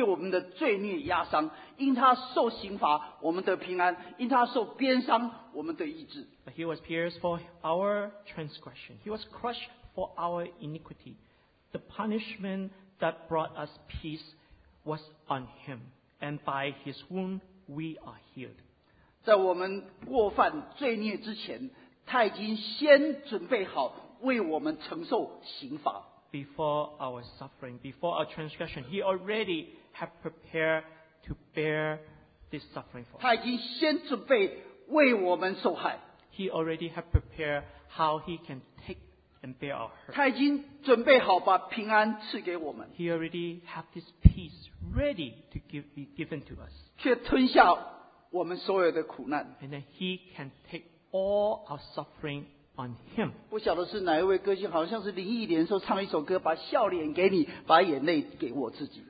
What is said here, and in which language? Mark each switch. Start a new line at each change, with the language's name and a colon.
Chinese: 他为我们的过犯受害，为我们的罪孽压伤。因他受刑罚，我们得平安；因他受鞭伤，我们得医治。
English: But he was pierced for our transgression. He was crushed for our iniquity. The punishment that brought us peace was on him, and by his wound we are healed.
Chinese: 在我们过犯罪孽之前，他已经先准备好为我们承受刑罚。
English: Before our suffering, before our transgression, he already had prepared to bear this suffering for us.
Chinese: 他已经先准备为我们受害。
English: He already had prepared how he can take and bear our hurt.
Chinese: 他已经准备好把平安赐给我们。
English: He already had this peace ready to be given to us.
Chinese: 却吞下我们所有的苦难。
English: And then he can take all our suffering on him.
Chinese: 不晓得是哪一位歌星, 好像是林忆莲说唱一首歌, 把笑脸给你, 把眼泪给我自己。